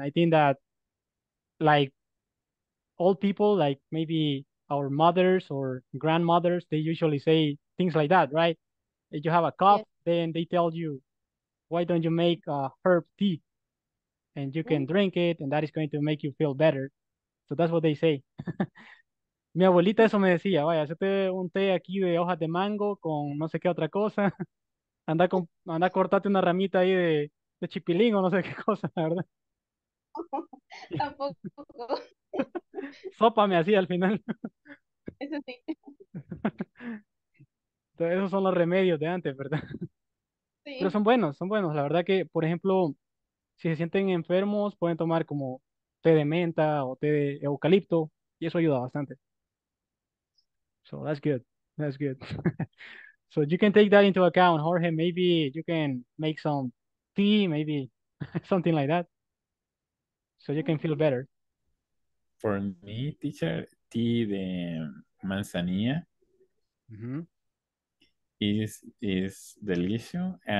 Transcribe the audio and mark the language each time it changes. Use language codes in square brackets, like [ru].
[en] I think that like old people, like maybe our mothers or grandmothers, they usually say things like that, right? If you have a cough, then they tell you, why don't you make a herb tea? And you can drink it, and that is going to make you feel better. So that's what they say. [es] Mi abuelita eso me decía, vaya, hacete un té aquí de hojas de mango con no sé qué otra cosa. Anda a cortarte una ramita ahí de chipilín o no sé qué cosa, la Tampoco. Sopa me hacía al final. Eso sí. Entonces, esos son los remedios de antes, ¿verdad? Pero Sí. son buenos, la verdad que, por ejemplo, si se sienten enfermos, pueden tomar como té de menta o té de eucalipto y eso ayuda bastante. [en] So that's good. That's good. So you can take that into account, Jorge. Maybe you can make some tea, maybe something like that. So you can feel Okay. better. For me, teacher, tea [es] de manzanilla [en] is delicious.